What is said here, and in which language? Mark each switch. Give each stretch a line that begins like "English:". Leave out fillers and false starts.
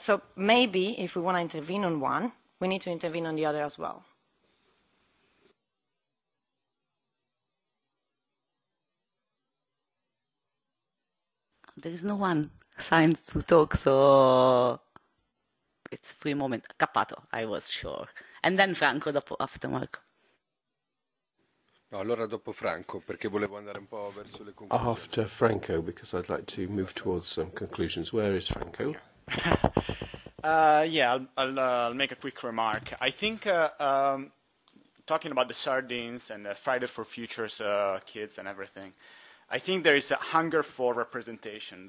English: So maybe if we want to intervene on one, we need to intervene on the other as well. There is no one signed to talk, so it's free moment. Cappato, I was sure. And then Franco, after Marco.
Italian: No, allora dopo Franco, perché volevo andare un po' verso le conclusioni.
English: After Franco, because I'd like to move towards some conclusions. Where is Franco? I'll make a quick remark. I think talking about the Sardines and the Friday for Futures kids and everything, I think there is a hunger for representation.